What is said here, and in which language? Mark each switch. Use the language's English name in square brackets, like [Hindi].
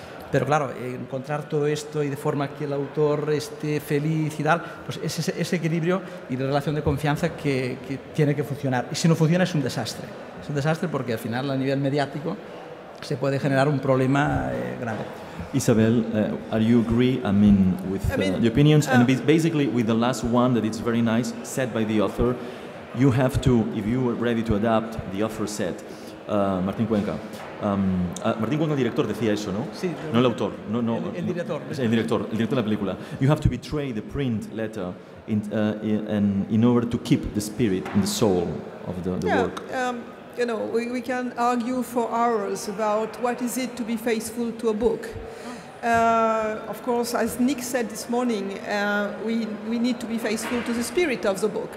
[Spanish] Pero claro, encontrar todo esto y de forma que el autor esté feliz y tal, pues es ese equilibrio y la relación de confianza que tiene que funcionar. Y si no funciona es un desastre. Es un desastre porque al final a nivel mediático se puede generar un problema grave. [English] Isabel, are you agree? The opinions and basically with the last one that it's very nice said by the author, you have to, if you are ready to adapt, the author said, Martín Cuenca. [Spanish] Martín Cuenca, el director, decía eso, ¿no? Sí. No el autor. No, no. El director. El director. El director de la película. [English] You have to betray the print letter in order to keep the spirit and the soul of the work. You know, we can argue for hours about what is it to be faithful to a book. Of course, as Nick said this morning, we need to be faithful to the spirit of the book.